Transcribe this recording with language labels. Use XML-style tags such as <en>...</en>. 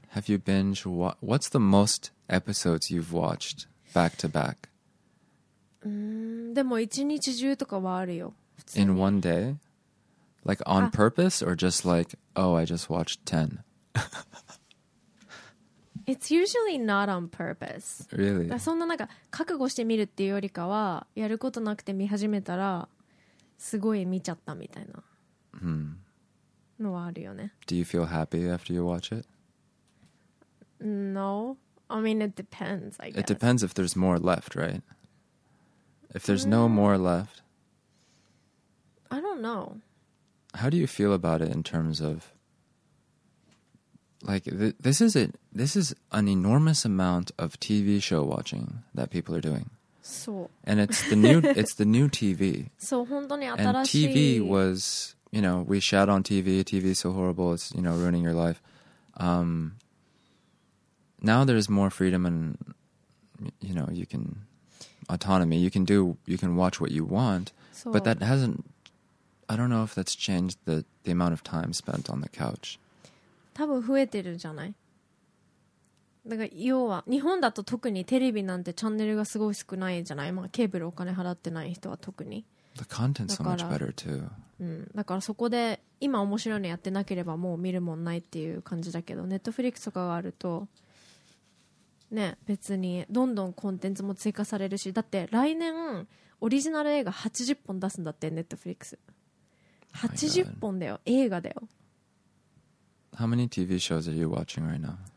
<en>Have you binge... What's the most episodes you've watched back-to-back?</en> <ja>でも一日中とかはあるよ。</ja> <en>In one day? Like on purpose or just like, oh, I just watched 10? It's usually not on purpose. Really?</en> <ja>そんななんか覚悟してみるっていうよりかは、やることなくて見始めたら、すごい見ちゃったみたいな。 Hmm. のはあるよね。</ja> <en>Do you feel happy after you watch it? No. I mean, it depends, I guess. It depends if there's more left, right? If there's no more left... I don't know. How do you feel about it in terms of... Like, this is an enormous amount of TV show watching that people are doing. So. And it's the new TV.</en> <ja>So, 本当に新しい...</ja> <en>And TV was... You know, we shat on TV. TV is so horrible. It's, you know, ruining your life. Now there's more freedom and, you know, you can... Autonomy. You can watch what you want. So, but that hasn't... I don't know if that's changed the amount of time spent on the couch.</en> <ja>多分増えてるじゃない?だから要は、日本だと特にテレビなんてチャンネルがすごい少ないじゃない?まあ、ケーブルお金払ってない人は特に。</ja> <en>The content's so much better, too.</en> <ja>うん、だからそこで今面白いのやってなければもう見るもんないっていう感じだけど、ネットフリックスとかがあるとね、別にどんどんコンテンツも追加されるし、だって来年オリジナル映画80本出すんだって、ネットフリックス80本だよ、映画だよ。</ja> <en>How many TV shows are you watching right now?</en>